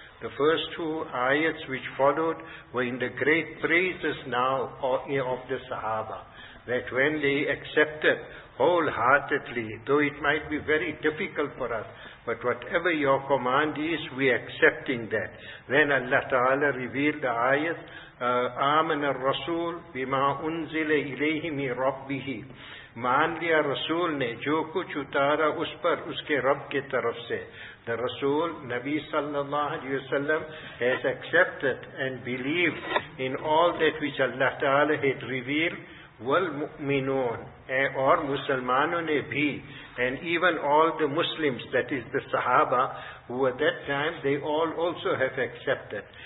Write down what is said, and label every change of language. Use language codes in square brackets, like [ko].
[en] The first two ayats which followed were in the great praises now of the Sahaba, that when they accepted wholeheartedly, though it might be very difficult for us, but whatever your command is, we are accepting that. Then Allah Ta'ala revealed the ayat, [ar] آمن الرسول بما أنزل إليه من ربه. [ur] مان لیا رسول نے جو کچھ اتارا اس پر اس کے رب کے طرف سے. [en] The Rasul, Nabi sallallahu alayhi wa sallam, has accepted and believed in all that which Allah Ta'ala had revealed. [ar] والمؤمنون, [ur] اور مسلمانوں نے بھی, [en] and even all the Muslims, that is the Sahaba, who at that time, they all also have accepted.